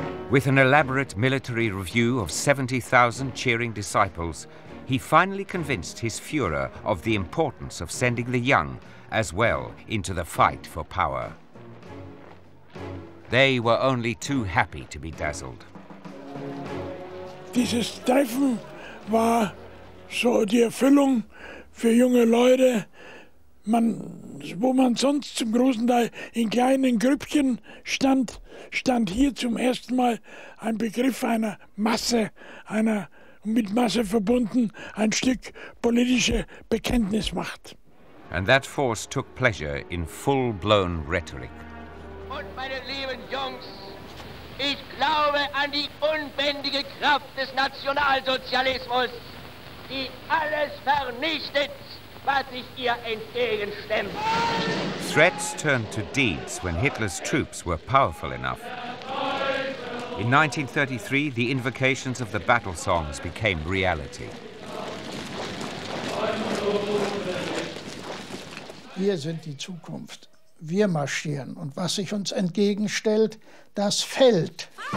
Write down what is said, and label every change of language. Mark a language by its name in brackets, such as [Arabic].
[English] With an elaborate military review of 70,000 cheering disciples, he finally convinced his Führer of the importance of sending the young, as well, into the fight for power. They were only too happy to be dazzled. [German] Dieses Treffen war so die Erfüllung für junge Leute, wo man sonst zum großen Teil in kleinen Grüppchen stand hier zum ersten Mal ein Begriff einer Masse, einer mit Masse verbunden, ein Stück politische Bekenntnis macht. [English] And that force took pleasure in full-blown rhetoric. [German] Und meine lieben Jungs, ich glaube an die unbändige Kraft des Nationalsozialismus, die alles vernichtet, was sich ihr entgegenstemmt. [English] Threats turned to deeds when Hitler's troops were powerful enough. In 1933, the invocations of the battle songs became reality. [German] Wir sind die Zukunft. Wir marschieren. Und was sich uns entgegenstellt, das fällt.